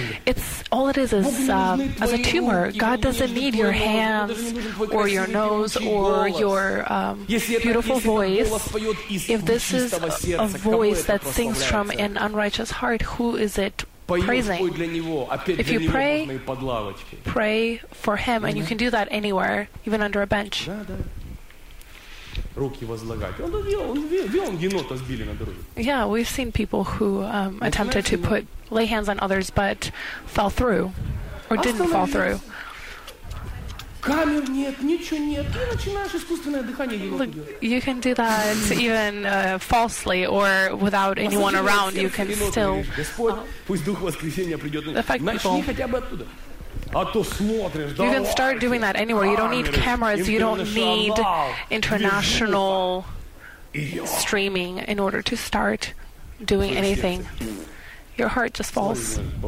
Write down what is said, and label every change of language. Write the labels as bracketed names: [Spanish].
[English] It's all it is a tumor. God doesn't need your hands or your nose or your beautiful voice. If this is a voice that sings from an unrighteous heart, who is it praising? If you pray for him, and you can do that anywhere, even under a bench. [Russian] Руки возлагать. Он енота сбили на дороге. [English] Yeah, we've seen people who attempted to put lay hands on others but fell through or didn't fall through. [Russian] Камер нет, ничего нет. Ты начинаешь искусственное дыхание делать. [English] Look, you can do that even falsely or without anyone around. You can still. [Russian] Пусть дух воскресения придет. Начни хотя бы оттуда. [English] You can start doing that anywhere. You don't need cameras. You don't need international streaming in order to start doing anything. Your heart just falls.